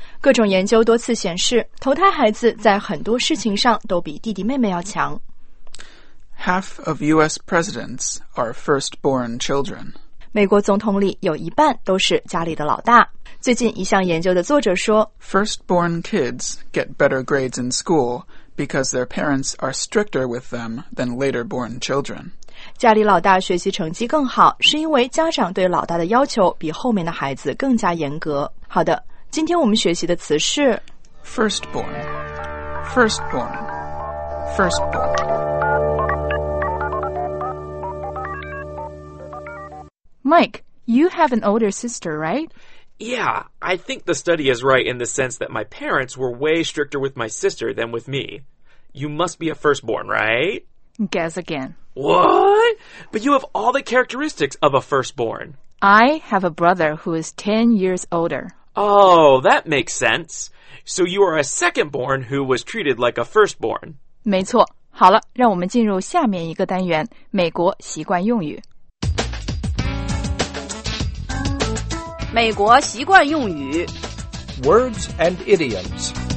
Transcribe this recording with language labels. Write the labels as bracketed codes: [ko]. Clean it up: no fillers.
[zh] 各种研究多次显示，头胎孩子在很多事情上都比弟弟妹妹要强。 [en] Half of U.S. presidents are firstborn children. [zh] 美国总统里有一半都是家里的老大。最近一项研究的作者说 [en] Firstborn kids get better grades in school because their parents are stricter with them than later born children. [zh] 家里老大学习成绩更好，是因为家长对老大的要求比后面的孩子更加严格。好的，今天我们学习的词是 [en] Firstborn, Firstborn, Firstborn. Mike, you have an older sister, right? Yeah, I think the study is right in the sense that my parents were way stricter with my sister than with me. You must be a firstborn, right? Guess again. What? But you have all the characteristics of a firstborn. I have a brother who is 10 years older. Oh, that makes sense. So you are a secondborn who was treated like a firstborn. [zh] 没错。好了，让我们进入下面一个单元，美国习惯用语。美国习惯用语 [en] Words and Idioms